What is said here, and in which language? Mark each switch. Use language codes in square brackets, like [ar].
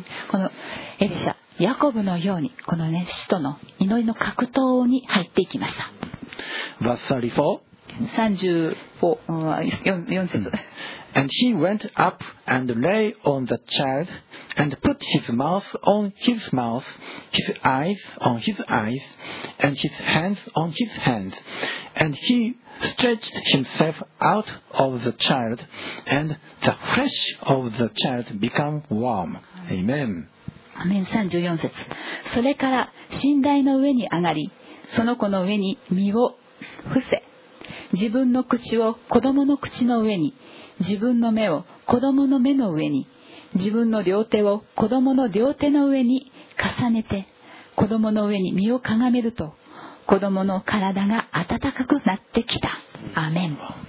[ja] このエリシャ、ヤコブのようにこのね、使徒の祈りの格闘に入っていきました。 [en] Verse [ja] 34節。 [en] And he went up and lay on the child and put his mouth on his mouth, his eyes on his eyes, and his hands on his hands, and he stretched himself out of the child, and the flesh of the child became warm. Amen. [ja] Amen. 34節。それから寝台の上に上がり、その子の上に身を伏せ、自分の口を子供の口の上に、自分の目を子供の目の上に、自分の両手を子供の両手の上に重ねて、子供の上に身をかがめると、子供の体が温かくなってきた。アーメン。